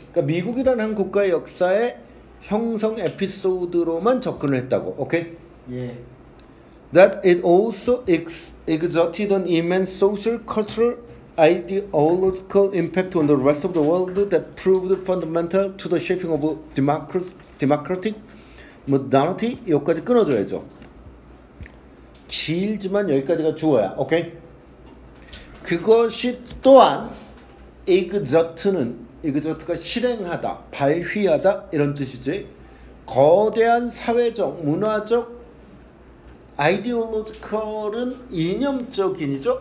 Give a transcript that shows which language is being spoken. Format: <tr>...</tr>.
<ko>그러니까 미국이라는 한 국가의 역사의 형성 에피소드로만 접근을 했다고, 오케이? 예.</ko> <en>That it also exerted an immense social, cultural, ideological impact on the rest of the world that proved fundamental to the shaping of democratic modernity.</en> <ko>여기까지 끊어줘야죠. 길지만 여기까지가 주어야, 오케이? 그것이 또한 exert는 exert가 실행하다, 발휘하다 이런 뜻이지. 거대한 사회적, 문화적 아이디올로지컬은 이념적인이죠.</ko>